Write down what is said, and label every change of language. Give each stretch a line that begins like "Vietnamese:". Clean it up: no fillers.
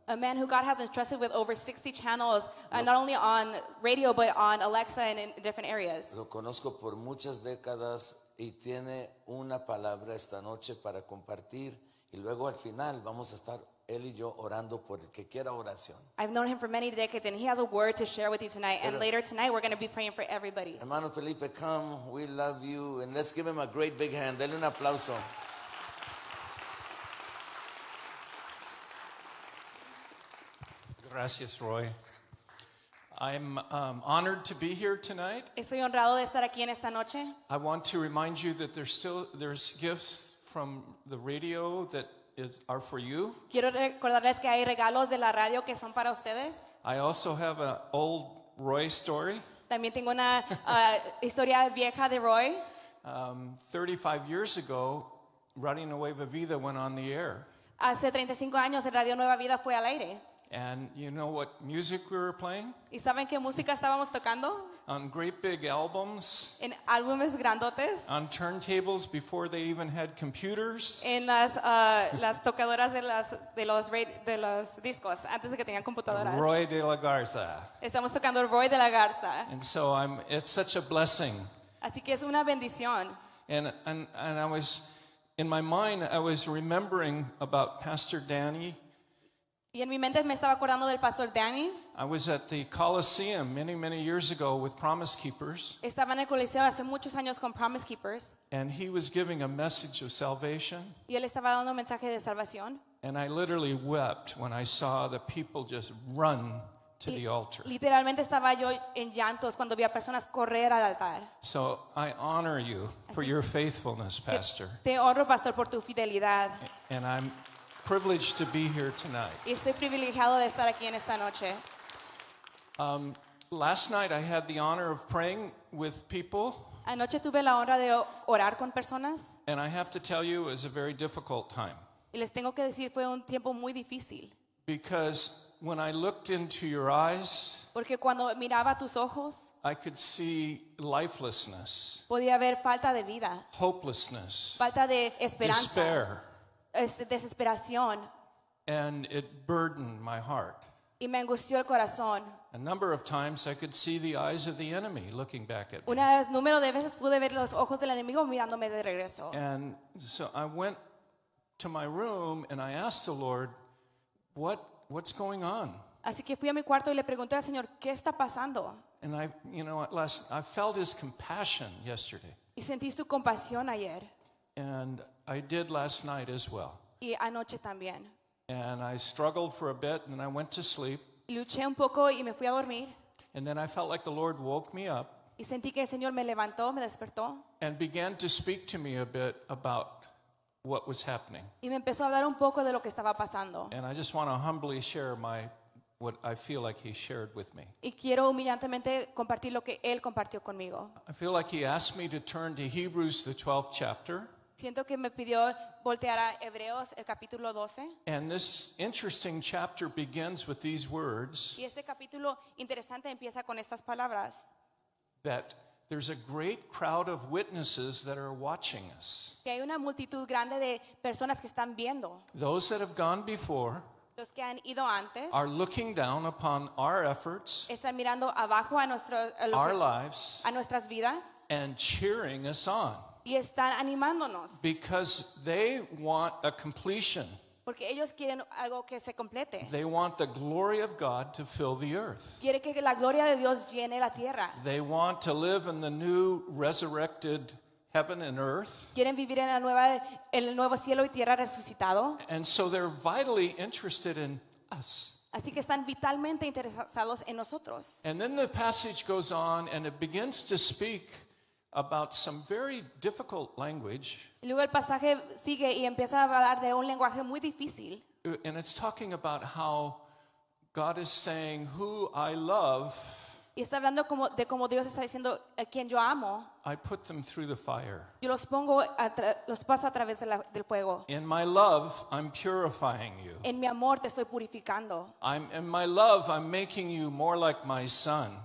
English: A man who God has entrusted with over 60 channels, not only on radio but on Alexa and in different areas.
Spanish: Lo conozco por muchas décadas y tiene una palabra esta noche para compartir y luego al final vamos a estar él y yo orando por el que quiera oración.
English: I've known him for many decades and he has a word to share with you tonight. And later tonight we're going to be praying for everybody. Hermano Felipe, come, we love you and let's give him a great big hand.
Spanish: Dale un aplauso.
English: Gracias, Roy. I'm honored to be here tonight.
Spanish: Estoy honrado de estar aquí en esta noche.
English: I want to remind you that there's gifts from the radio that are for you.
Spanish: Quiero recordarles que hay regalos de la radio que son para ustedes.
English: I also have an old Roy story.
Spanish: También tengo una historia vieja de Roy.
English: 35 years ago, Radio Nueva Vida went on the air.
Spanish: Hace 35 años, Radio Nueva Vida fue al aire.
English: And you know what music we were playing?
Spanish: ¿Y saben qué música estábamos tocando?
English: On great big albums.
Spanish: En álbumes grandotes.
English: On turntables before they even had computers.
Spanish: En las las tocadoras de los discos antes de que tengan computadoras.
English: Roy de la Garza.
Spanish: Estamos tocando Roy de la Garza.
English: And so it's such a blessing.
Spanish: Así que es una bendición.
English: And I was in my mind I was remembering about Pastor Danny.
Spanish: Y en mi mente me estaba acordando del Pastor Danny.
English: I was at the Coliseum many, many years ago with Promise Keepers.
Spanish: Estaba en el Coliseo hace muchos años con Promise Keepers.
English: And he was giving a message of salvation.
Spanish: Y él estaba dando un mensaje de salvación.
English: And I literally wept when I saw the people just run to the altar.
Spanish: Literalmente estaba yo en llantos cuando vi a personas correr al altar.
English: So I honor you for your faithfulness, Pastor.
Spanish: Te honro, Pastor, por tu fidelidad.
English: And I'm privileged to be here tonight.
Spanish: Estoy privilegiado de estar aquí en esta noche.
English: Last night I had the honor of praying with people.
Spanish: Anoche tuve la honra de orar con personas.
English: And I have to tell you, it was a very difficult time.
Spanish: Y les tengo que decir, fue un tiempo muy difícil.
English: Because when I looked into your eyes,
Spanish: porque cuando miraba tus ojos,
English: I could see lifelessness.
Spanish: Podía ver falta de vida.
English: Hopelessness.
Spanish: Falta de esperanza.
English: Despair.
Spanish: Desesperación.
English: And it burdened my heart.
Spanish: Y me angustió el corazón.
English: A number of times I could see the eyes of the enemy looking back at me.
Spanish: Una número de veces pude ver los ojos del enemigo mirándome de regreso.
English: And so I went to my room and I asked the Lord, what what's going on?
Spanish: Así que fui a mi cuarto y le pregunté al Señor, ¿qué está pasando?
English: And I, you know, I felt his compassion yesterday.
Spanish: Y sentí su compasión ayer.
English: And I did last night as well.
Spanish: Y anoche también.
English: And I struggled for a bit and then I went to sleep.
Spanish: Luché un poco y me fui a dormir.
English: And then I felt like the Lord woke me up.
Spanish: Y sentí que el Señor me levantó, me despertó.
English: And began to speak to me a bit about what was happening.
Spanish: Y me empezó a hablar un poco de lo que estaba pasando.
English: And I just want to humbly share my what I feel like he shared with me.
Spanish: Y quiero humillantemente compartir lo que él compartió conmigo.
English: I feel like he asked me to turn to Hebrews, the 12th chapter.
Spanish: Siento que me pidió voltear a Hebreos, el capítulo 12.
English: And this interesting chapter begins with these words.
Spanish: Y este capítulo interesante empieza con estas palabras.
English: That there's a great crowd of witnesses that are watching us.
Spanish: Que hay una multitud grande de personas que están viendo.
English: Those that have gone before.
Spanish: Los que han ido antes.
English: Are looking down upon our efforts.
Spanish: Están mirando abajo a nuestro,
English: our lives.
Spanish: A nuestras vidas.
English: And cheering us on.
Spanish: Y están animándonos.
English: Because they want a completion.
Spanish: Porque ellos quieren algo que se complete.
English: They want the glory of God to fill the earth.
Spanish: Quiere que la gloria de Dios llene la tierra.
English: They want to live in the new resurrected heaven and earth.
Spanish: Quieren vivir en la nueva, en el nuevo cielo y tierra resucitado.
English: And so they're vitally interested in us.
Spanish: Así que están vitalmente interesados en nosotros.
English: And then the passage goes on and it begins to speak about some very difficult language.
Spanish: Luego el pasaje sigue y empieza a hablar de un lenguaje muy difícil.
English: And it's talking about how God is saying, "Who I love."
Spanish: Y está hablando como de cómo Dios está diciendo a quien yo amo.
English: I put them through the fire.
Spanish: Yo los pongo los paso a través del fuego.
English: In my love, I'm purifying you.
Spanish: En mi amor te estoy purificando.
English: In my love, I'm making you more like my son.